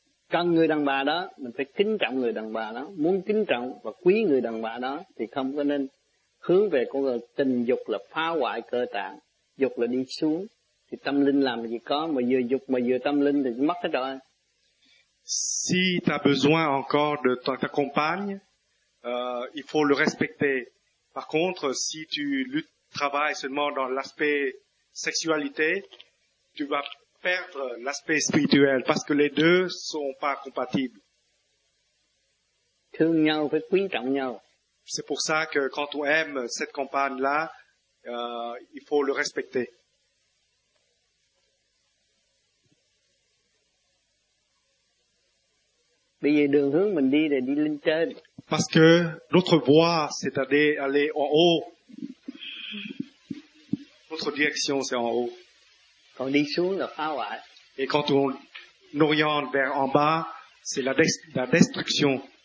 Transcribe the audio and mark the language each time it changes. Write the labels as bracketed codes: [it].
[vi] Cần người đàn bà đó, mình phải kính trọng người đàn bà đó. Muốn kính trọng và quý người đàn bà đó thì không có nên hướng về con người. Tình dục là phá hoại cơ tạng, dục là đi xuống. Thì tâm linh làm gì có, mà vừa dục mà vừa tâm linh thì mất hết rồi. [fr] Si t'as besoin encore de ta compagne, il faut le respecter. Par contre, si tu travailles seulement dans l'aspect sexualité, tu vas perdre l'aspect spirituel parce que les deux sont pas compatibles. [vi] Thương nhau phải quý trọng nhau. [fr] C'est pour ça que quand on aime cette compagne-là, il faut le respecter. [vi] Bây giờ đường hướng mình đi là đi lên trên. [fr] Parce que notre voie, c'est d'aller en haut. Notre direction, c'est en haut. Quand on dit sous, là pas ouais. Et quand on oriente vers en bas, c'est la destruction.